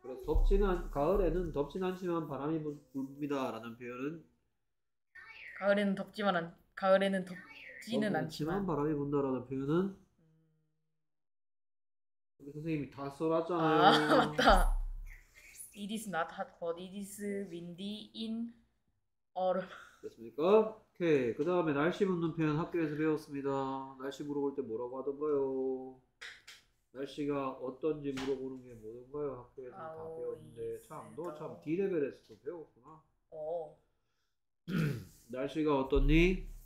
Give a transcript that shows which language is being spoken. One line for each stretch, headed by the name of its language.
Korean: 그래서 덥지는 가을에는 덥진 않지만 바람이 붑니다라는 표현은 가을에는 덥지는 덥진 않지만 않지만 바람이 분다라는 표현은 선생님이 다 아, 써놨잖아요. 맞다.
English: It is not hot, but it is windy in 얼음.
Korean: 됐습니까? 오케이. 그 다음에 날씨 묻는 표현 학교에서 배웠습니다. 날씨 물어볼 때 뭐라고 하던가요? 날씨가 어떤지 물어보는 게 뭐던가요? 학교에서는 다 배웠는데 참, 너참 D레벨에서도 배웠구나. 날씨가 어떻니?